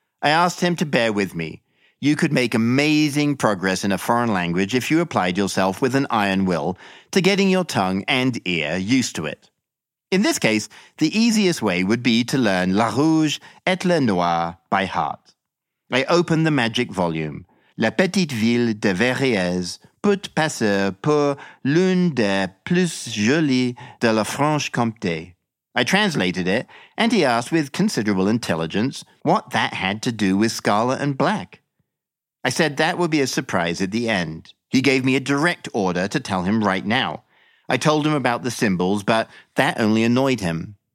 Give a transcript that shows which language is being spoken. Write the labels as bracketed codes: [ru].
[en] I asked him to bear with me. You could make amazing progress in a foreign language if you applied yourself with an iron will to getting your tongue and ear used to it. In this case, the easiest way would be to learn La Rouge et le Noir by heart. I opened the magic volume. [fr] La petite ville de Verrières peut passer pour l'une des plus jolies de la Franche-Comté. [en] I translated it, and he asked with considerable intelligence what that had to do with scarlet and black. I said that would be a surprise at the end. He gave me a direct order to tell him right now. I told him about the symbols, but that only annoyed him.